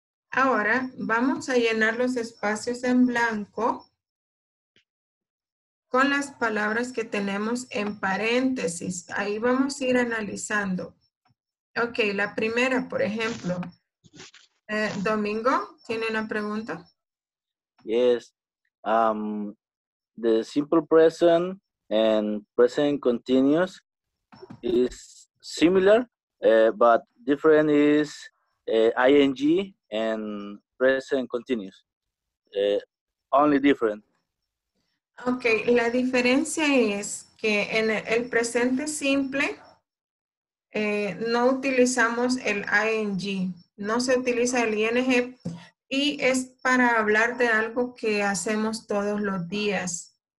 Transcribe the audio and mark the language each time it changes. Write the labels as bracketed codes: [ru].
[es] Ahora vamos a llenar los espacios en blanco con las palabras que tenemos en paréntesis. Ahí vamos a ir analizando. Ok, la primera, por ejemplo, Domingo, ¿tiene una pregunta? [en] Yes, the simple present and present continuous is similar, but different is ing and present continuous, only different. [es] Ok, la diferencia es que en el presente simple, no utilizamos el ing, no se utiliza el ing y es para hablar de algo que hacemos todos los días.